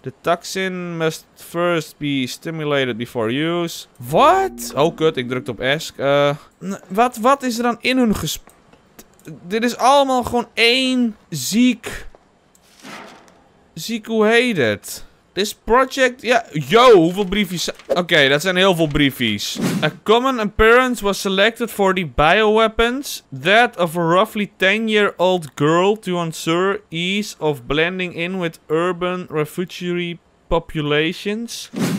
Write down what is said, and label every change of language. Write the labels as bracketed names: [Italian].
[English] The toxin must first be stimulated before use. What? [Dutch] Oh kut, ik drukte op ask. Wat is er dan in hun dit is allemaal gewoon één ziek, hoe heet het? [English] This project, [Dutch] ja, yeah. Yo, hoeveel briefjes zijn... Oké, dat zijn heel veel briefjes. [English] A common appearance was selected for the bioweapons. That of a roughly 10-year-old girl to ensure ease of blending in with urban refugee populations.